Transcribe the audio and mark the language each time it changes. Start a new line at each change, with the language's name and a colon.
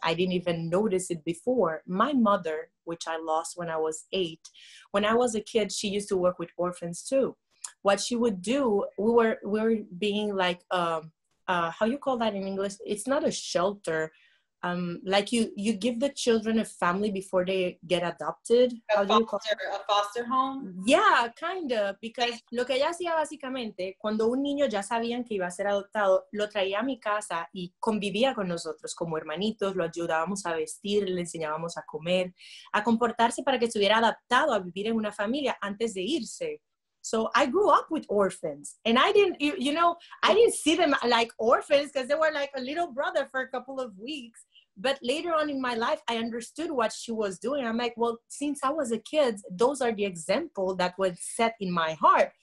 English: I didn't even notice it before. My mother, which I lost when I was 8, when I was a kid, she used to work with orphans too. What she would do, we were being like, how you call that in English? It's not a shelter. Like you give the children a family before they get adopted. A foster home? Yeah, kind of.
Spanish: Because lo que ella hacía básicamente, cuando un niño ya sabían que iba a ser adoptado, lo traía a mi casa y convivía con nosotros como hermanitos, lo ayudábamos a vestir, le enseñábamos a comer, a comportarse para que estuviera adaptado a vivir en una familia antes de irse.
English: So I grew up with orphans, and I didn't, you know, I didn't see them like orphans because they were like a little brother for a couple of weeks. But later on in my life, I understood what she was doing. I'm like, well, since I was a kid, those are the example that was set in my heart.